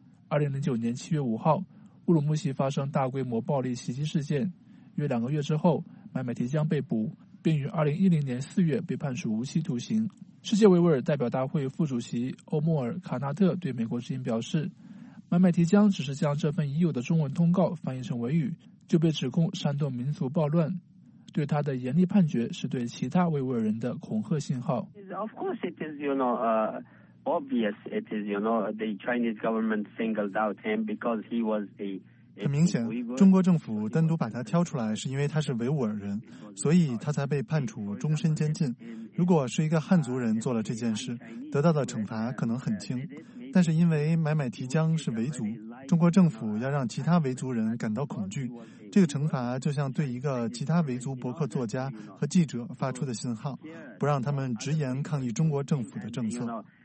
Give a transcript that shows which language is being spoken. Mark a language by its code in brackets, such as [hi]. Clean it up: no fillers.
[zh] 2009年7月5号，乌鲁木齐发生大规模暴力袭击事件，约两个月之后，买买提江被捕，并于2010年4月被判处无期徒刑。世界维吾尔代表大会副主席欧莫尔·卡纳特对美国之音表示，买买提江只是将这份已有的中文通告翻译成维语，就被指控煽动民族暴乱，对他的严厉判决是对其他维吾尔人的恐吓信号。 [en] Of course it is, you know, obvious it is, you know, the Chinese government singled out him because he was the... [zh] 很明显，中国政府单独把他挑出来是因为他是维吾尔人，所以他才被判处终身监禁。如果是一个汉族人做了这件事，得到的惩罚可能很轻。但是因为买买提江是维族，中国政府要让其他维族人感到恐惧，这个惩罚就像对一个其他维族博客作家和记者发出的信号，不让他们直言抗议中国政府的政策。